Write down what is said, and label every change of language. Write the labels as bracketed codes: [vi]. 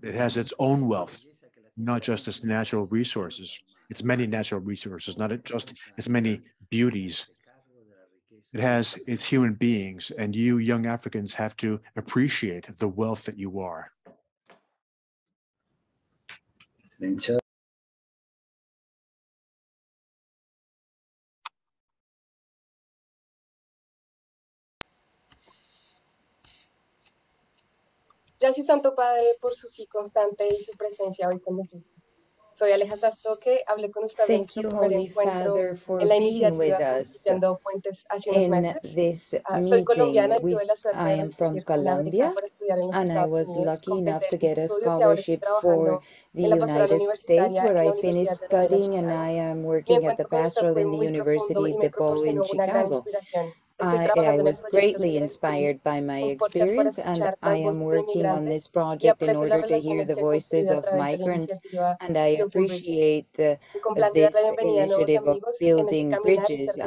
[en] It has its own wealth, not just its natural resources. Its many natural resources, not just its many beauties. It has its human beings, and you young Africans have to appreciate the wealth that you are. [es] Gracias, Santo Padre, por su sí constante y su presencia hoy con nosotros. Soy Aleja Sastoque, hablé con usted en el encuentro en la iniciativa Construyendo Puentes hace unos meses. Soy colombiana y tuve la suerte de recibir una beca para estudiar en los Estados Unidos. [en] I was lucky enough to get a scholarship for the United States, where I finished studying, and I am working at the Pastoral in the University of DePaul in Chicago. I was greatly inspired by my experience, and I am working on this project in order to hear the voices of migrants, and I appreciate this initiative of building bridges.